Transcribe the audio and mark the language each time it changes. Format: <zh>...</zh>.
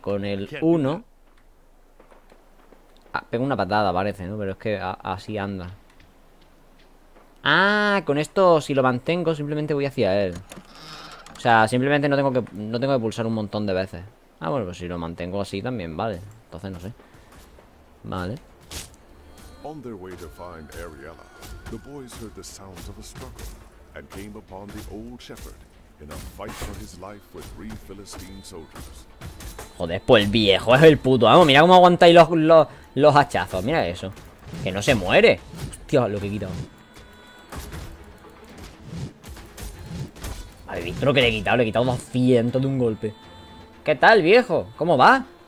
<es>Con el 1 pego una patada, parece, ¿no? Pero es que así anda. Ah, con esto si lo mantengo simplemente voy hacia él. O sea, simplemente no tengo que pulsar un montón de veces. Ah, bueno, pues si lo mantengo así también, vale. Entonces no sé. Vale.</es> <en>On their way to find Ariella, the boys heard the sounds of a struggle and came upon the old shepherd in a fight for his life with three Philistine soldiers.</en> <es>Joder, pues el viejo es el puto amo. Mira cómo aguantáis los hachazos. Mira eso. Que no se muere. Hostia, lo que he quitado. Vale, visto lo que le he quitado. Le he quitado 200 de un golpe. ¿Qué tal, viejo? ¿Cómo va?</es>